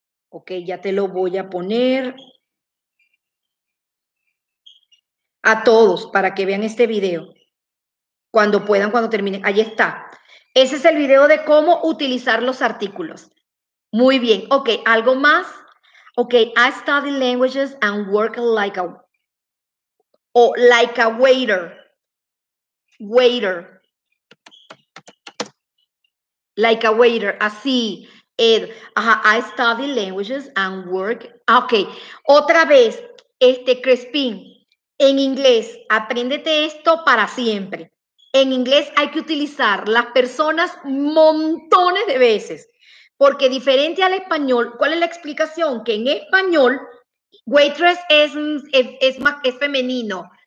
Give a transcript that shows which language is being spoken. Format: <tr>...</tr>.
<es>Ok, ya te lo voy a poner a todos para que vean este video cuando puedan, cuando terminen. Ahí está. Ese es el video de cómo utilizar los artículos. Muy bien. Ok, ¿algo más?</es> <en>Ok, I study languages and work like a, o like a waiter. Waiter. Like a waiter, así. Ed, ajá, I study languages and work.</en> <es>Ok, otra vez, Crespin, en inglés, apréndete esto para siempre. En inglés hay que utilizar las personas montones de veces, porque diferente al español, ¿cuál es la explicación? Que en español, waitress es femenino.</es>